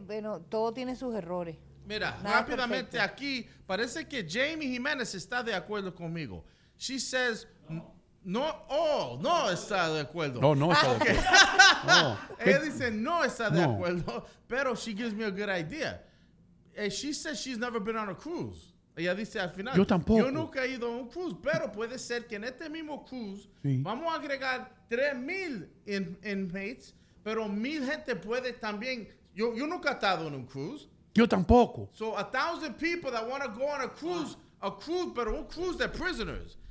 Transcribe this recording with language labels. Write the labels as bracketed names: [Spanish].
[Spanish] Bueno, todo tiene sus errores. Mira, nada rápidamente perfecto. Aquí parece que Jamie Jiménez está de acuerdo conmigo. [English] She says, [Spanish] no está de acuerdo. No está de acuerdo. Ella dice, no está de acuerdo, pero [English] she gives me a good idea. And she says she's never been on a cruise. [Spanish] Ella dice al final, yo tampoco. Yo nunca he ido a un cruise, pero puede ser que en este mismo cruise vamos a agregar 3,000 inmates, pero 1,000 gente puede también. Yo nunca he estado en un cruise. Yo tampoco. [English] So 1,000 people that want to go on a cruise, [Spanish] pero un [English] cruise de prisoners.